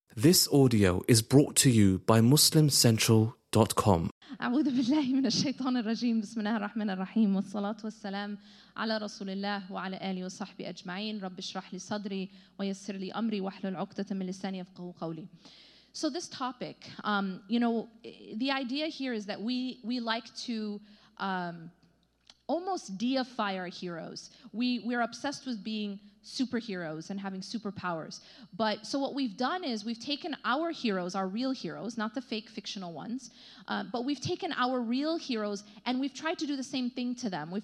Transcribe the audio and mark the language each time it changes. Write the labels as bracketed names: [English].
[English] This audio is brought to you by MuslimCentral.com. [Arabic] أعوذ بالله من الشيطان الرجيم. بسم الله الرحمن الرحيم والصلاة والسلام على رسول الله وعلى آله وصحبه أجمعين. رب اشرح لي صدري ويسر لي أمري واحلل عقدة من لساني يفقهوا قولي. [English] So this topic, you know, the idea here is that we like to almost deify our heroes. We're obsessed with being superheroes and having superpowers. But so what we've done is we've taken our heroes, our real heroes, not the fake fictional ones, but we've taken our real heroes and we've tried to do the same thing to them.